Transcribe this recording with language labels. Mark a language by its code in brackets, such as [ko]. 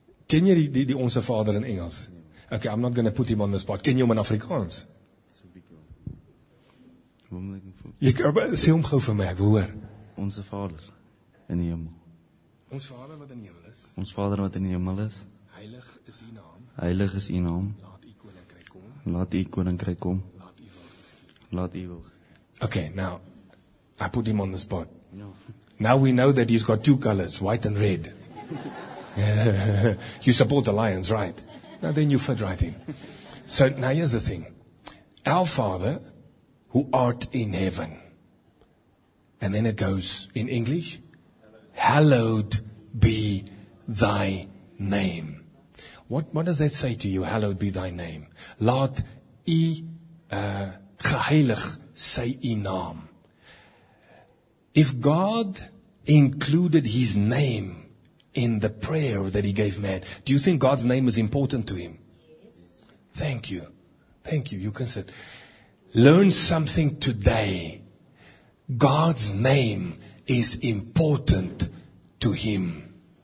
[af] Ken jy die Onse Vader in Engels? [en] Okay, I'm not going to put him on the spot. [af] Ken jy hom in Afrikaans? Sê hom gou vir my, ek wil hoor. Onse Vader in die hemel. Ons Vader wat in die hemel is. Ons Vader wat in die hemel is. Heilig is U naam. Heilig is U naam. Laat U koninkryk kom. Laat U koninkryk kom. Laat U wil geskied. Laat U wil geskied. [en] Okay, now I put him on the spot. No. Now we know that he's got two colors, white and red. You support the Lions, right? Now then you fit right in. So now here's the thing. Our Father, who art in heaven. And then it goes in English. Hallowed be thy name. What does that say to you? Hallowed be thy name. [af] Laat u geheilig sy u naam. [en] If God included his name in the prayer that he gave man, do you think God's name is important to him? Yes. Thank you. Thank you. You can sit. Learn something today. God's name is important to him.